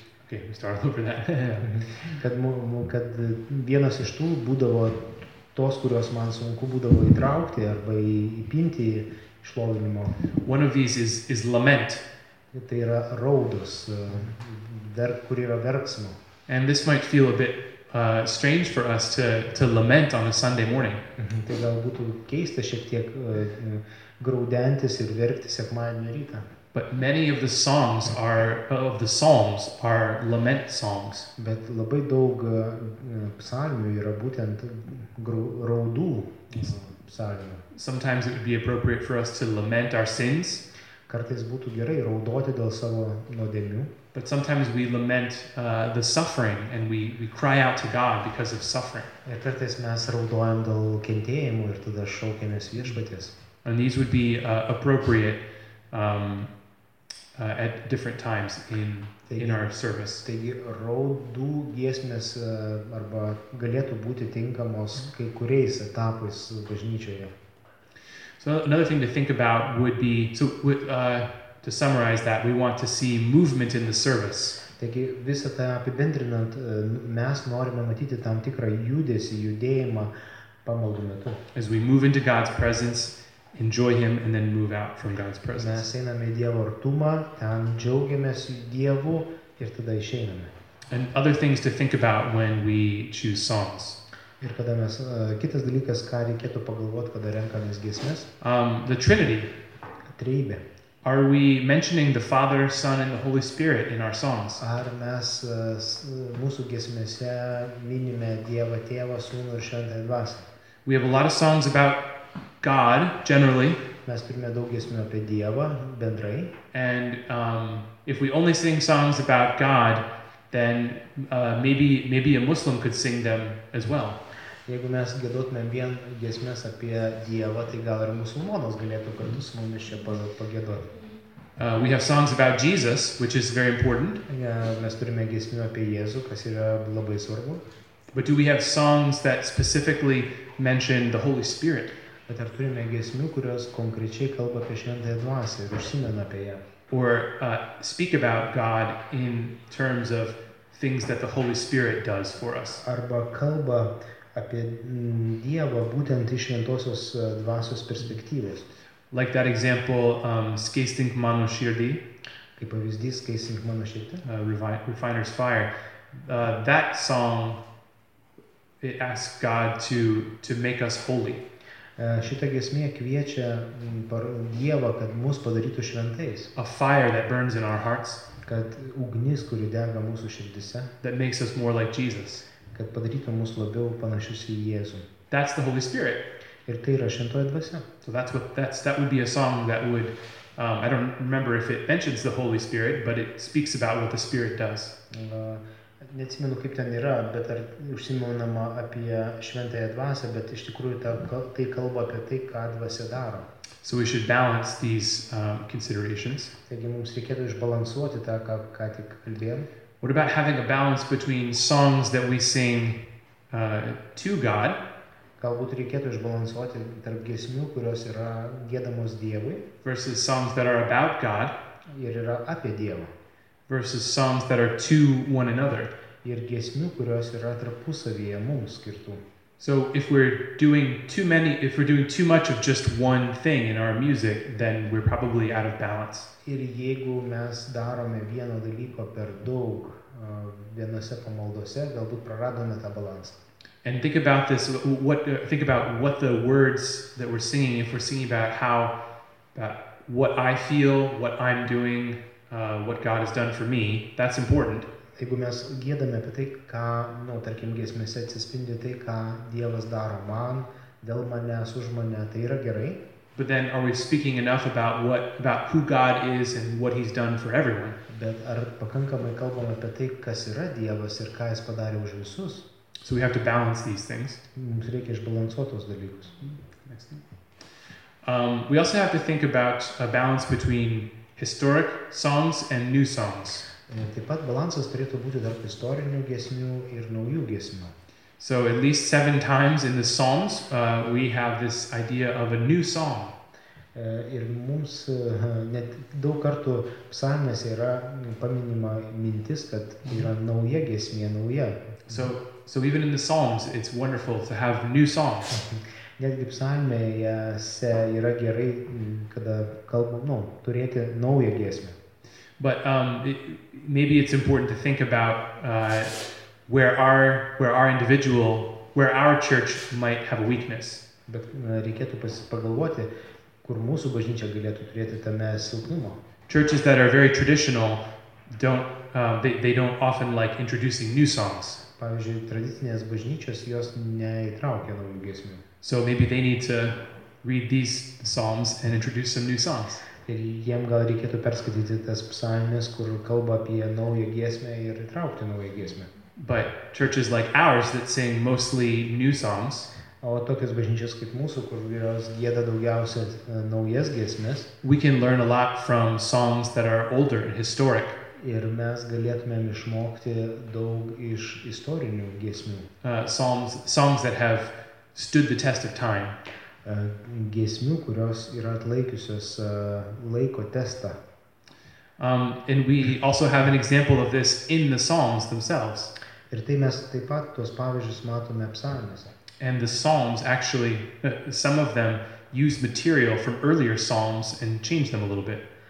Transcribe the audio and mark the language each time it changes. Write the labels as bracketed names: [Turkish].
[Lithuanian] kad vienas iš tų būdavo tos, kurios man sunku būdavo įtraukti arba įpinti šlovinimo. [English] One of these is lament. [Lithuanian] Tai yra raudos, kur yra verksmo. [English] And this might feel a bit strange for us to lament on a Sunday morning. [Lithuanian] Tai gal būtų keista šiek tiek graudentis ir verkti sekmadienio rytą. [English] But many of the songs are lament songs. [Lithuanian] Bet labai daug psalmių yra būtent raudų psalmių. [English] Sometimes it would be appropriate for us to lament our sins. [Lithuanian] Kartais būtų gerai raudoti dėl savo nuodėmių. [English] But sometimes we lament the suffering and we cry out to God because of suffering. [Lithuanian] Ir kartais mes raudojam dėl kentėjimų ir tada šaukiamės viešpaties. [English] And these would be appropriate at different times in our service. [Lithuanian] Taigi raudų giesmės arba galėtų būti tinkamos kai kuriais etapais bažnyčioje. [English] So another thing to think about would be to summarize that we want to see movement in the service. [Lithuanian] Taigi visą tą apibendrinant, mes norime matyti tam tikrą judėjimą pamaldų metu. [English] As we move into God's presence, enjoy him and then move out from God's presence. [Lithuanian] Mes einame į Dievo artumą, ten džiaugiamės Dievu ir tada išeiname. [English] And other things to think about when we choose songs. [Lithuanian] Ir kada mes kitas dalykas, ką reikėtų pagalvoti, kada renkamės giesmes? [English] The Trinity. [Lithuanian] Trejybė. [English] Are we mentioning the Father, Son and the Holy Spirit in our songs? [Lithuanian] Ar mes mūsų giesmėse minime Dievą Tėvą, Sūnų ir Šventąją Dvasią? [English] We have a lot of songs about God generally. [Lithuanian] Mes turime daug giesmių apie Dievą bendrai. [English] And if we only sing songs about God, then maybe a Muslim could sing them as well. [Lithuanian] Jeigu mes gėdotumėm vien giesmės apie Dievą, tai gal ir musulmonas galėtų kartu su mumis čia pagėdoti. [English] We have songs about Jesus, which is very important. [Lithuanian] Mes turime giesmių apie Jėzų, kas yra labai svarbu. [English] But do we have songs that specifically mention the Holy Spirit? [Lithuanian] Bet ar turime giesmių, kurios konkrečiai kalba apie Šventąją Dvasią ir užsimena apie ją? [English] Or speak about God in terms of things that the Holy Spirit does for us. [Lithuanian] Arba kalba apie Dievą būtent iš Šventosios Dvasios perspektyvos. [English] Like that example, Skaistink mano širdį. [Lithuanian] Kaip pavyzdys, Skaistink mano širdį. [English] Refiner's Fire. That song, it asks God to make us holy. [Lithuanian] Šita giesmė kviečia Dievą, kad mus padarytų šventais. [English] A fire that burns in our hearts. [Lithuanian] Kad ugnis, kuri dega mūsų širdise. [English] That makes us more like Jesus. [Lithuanian] Kad padarytų mus labiau panašius į Jėzų. [English] That's the Holy Spirit. [Lithuanian] Ir tai yra Šventoji Dvasia. [English] So that's what that would be a song that would I don't remember if it mentions the Holy Spirit, but it speaks about what the Spirit does. [Lithuanian] Neatsimenu, kaip ten yra, bet ar užsimenama apie Šventąją Dvasią, bet iš tikrųjų tai kalba apie tai, ką Dvasia daro. [English] So we should balance these considerations. [Lithuanian] Taigi mums reikėtų išbalansuoti tą, ką tik kalbėjom. [English] What about having a balance between songs that we sing to God? [Lithuanian] Galbūt reikėtų išbalansuoti tarp giesmių, kurios yra giedamos Dievui. [English] Versus songs that are about God. [Lithuanian] Ir yra apie Dievą. [English] Versus songs that are to one another. [Lithuanian] Ir giesmių, kurios yra tarpusavyje mums skirtų. [English] So if we're doing too many, if we're doing too much of just one thing in our music, then we're probably out of balance. [Lithuanian] Ir jeigu mes darome vieno dalyko per daug vienose pamaldose, galbūt praradome tą balansą. [English] And think about this, think about what the words that we're singing, if we're singing about what I feel, what I'm doing, what God has done for me, that's important. [Lithuanian] Jeigu mes giedame apie tai, ką, tarkim, giesmėse atsispindi tai, ką Dievas daro man, dėl manęs, už mane, tai yra gerai. [English] But then are we speaking enough about who God is and what he's done for everyone? [Lithuanian] Bet ar pakankamai kalbame apie tai, kas yra Dievas ir ką jis padarė už visus? [English] So we have to balance these things. [Lithuanian] Mums reikia išbalansuoti tuos dalykus. [English] Next thing. We also have to think about a balance between historic songs and new songs. [Lithuanian] Taip pat balansas turėtų būti tarp istorinių giesmių ir naujų giesmių. [English] So at least 7 times in the Psalms we have this idea of a new song. [Lithuanian] Ir mums net daug kartų psalmėse yra paminima mintis, kad yra nauja giesmė, nauja. [English] So even in the Psalms it's wonderful to have new songs. [Lithuanian] Netgi psalmėse yra gerai, kada kalbam, turėti naują giesmę. [English] But maybe it's important to think about where our church might have a weakness. [Lithuanian] Bet reikėtų pagalvoti, kur mūsų bažnyčia galėtų turėti tame silpnumo. [English] Churches that are very traditional they don't often like introducing new songs. [Lithuanian] Pavyzdžiui, tradicinės bažnyčios jos neįtraukia naujų giesmių. [English] So maybe they need to read these psalms and introduce some new songs. [Lithuanian] Ir jiem gal reikėtų perskaityti tas psalmes, kur kalba apie naują giesmę ir įtraukti naują giesmę. [English] But churches like ours that sing mostly new songs. [Lithuanian] O tokios bažnyčios kaip mūsų, kur jos gieda daugiausia naujas giesmes. [English] We can learn a lot from songs that are older and historic. [Lithuanian] Ir mes galėtumėm išmokti daug iš istorinių giesmių. [English] Songs that have stood the test of time. [Lithuanian] Giesmių, kurios yra atlaikiusios laiko testą. [English] And we also have an example of this in the Psalms themselves. [Lithuanian] Ir tai mes taip pat tuos pavyzdžius matome psalmėse. [English] And the Psalms actually, some of them use material from earlier Psalms and change them a little bit.